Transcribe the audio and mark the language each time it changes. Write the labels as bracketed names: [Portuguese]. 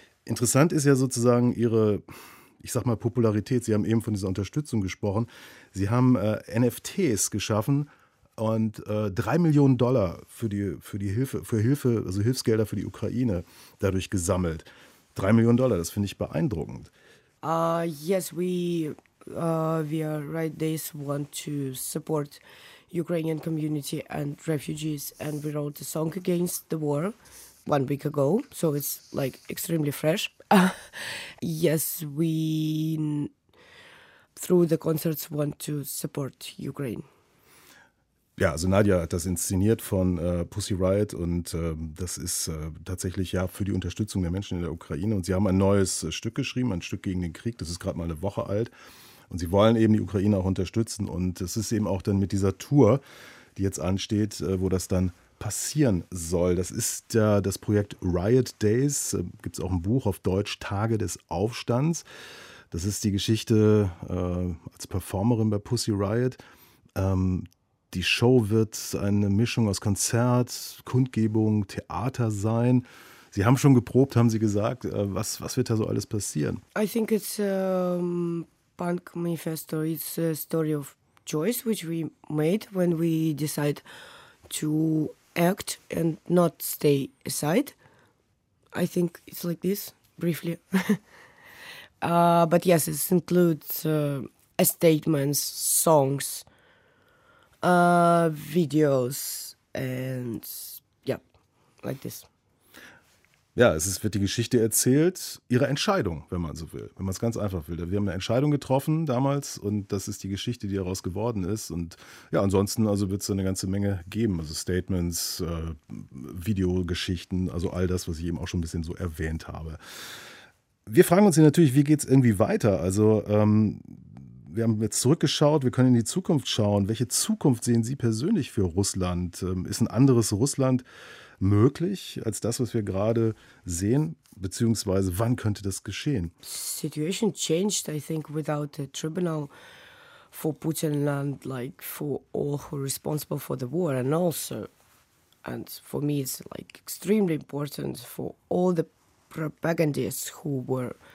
[German] Interessant ist ja sozusagen Popularität. Sie haben eben von dieser Unterstützung gesprochen. Sie haben NFTs geschaffen und $3 Millionen für Hilfsgelder für die Ukraine dadurch gesammelt. $3 Millionen, das finde ich beeindruckend. [English] Yes, we are right days want to support Ukrainian community and refugees, and we wrote a song against the war 1 week ago, so it's like extremely fresh. Yes, we through the concerts want to support Ukraine. [German] Ja, also Nadja hat das inszeniert von Pussy Riot und das ist tatsächlich ja für die Unterstützung der Menschen in der Ukraine. Und sie haben ein neues Stück geschrieben, ein Stück gegen den Krieg, das ist gerade mal eine Woche alt. Und sie wollen eben die Ukraine auch unterstützen. Und es ist eben auch dann mit dieser Tour, die jetzt ansteht, wo das dann passieren soll. Das ist ja das Projekt Riot Days. Gibt es auch ein Buch auf Deutsch, Tage des Aufstands. Das ist die Geschichte als Performerin bei Pussy Riot. Die Show wird eine Mischung aus Konzert, Kundgebung, Theater sein. Sie haben schon geprobt, haben Sie gesagt. Was wird da so alles passieren? [English] I think it's a punk manifesto. It's a story of choice, which we made when we decide to act and not stay aside. I think it's like this, briefly. but yes, it includes statements, songs, videos, and yeah, like this. [German] Ja, es ist, wird die Geschichte erzählt, ihre Entscheidung, wenn man so will, wenn man es ganz einfach will. Wir haben eine Entscheidung getroffen damals und das ist die Geschichte, die daraus geworden ist. Und ja, ansonsten also wird es eine ganze Menge geben, also Statements, Videogeschichten, also all das, was ich eben auch schon ein bisschen so erwähnt habe. Wir fragen uns hier natürlich, wie geht es irgendwie weiter? Also wir haben jetzt zurückgeschaut, wir können in die Zukunft schauen. Welche Zukunft sehen Sie persönlich für Russland? Ist ein anderes Russland möglich als das, was wir gerade sehen, beziehungsweise wann könnte das geschehen? [English] Situation changed, I think, without a tribunal for Putin and like for all who are responsible for the war and also, and for me it's like extremely important for all the propagandists who were